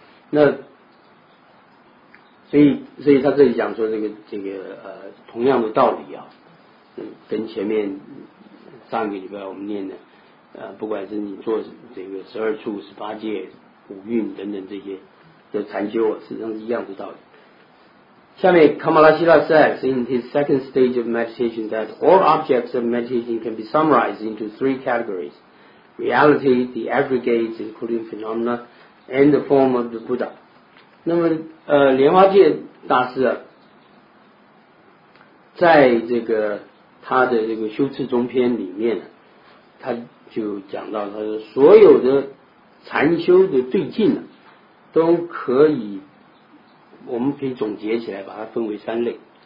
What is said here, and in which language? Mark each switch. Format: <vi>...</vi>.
<zh>那所以他这里讲说这个同样的道理啊，跟前面。上个礼拜我们念的不管是你做这个十二处十八戒五蕴等等这些的禅修，实际上是一样的道理。下面</zh> <en>Kamalasila says in his second stage of meditation that all objects of meditation can be summarized into three categories: reality, the aggregates including phenomena, and the form of the Buddha.</en> <zh>那么莲花戒大师在这个他的这个修持中篇里面，他就讲到，他说所有的禅修的对境呢，都可以，我们可以总结起来，把它分为三类。</zh>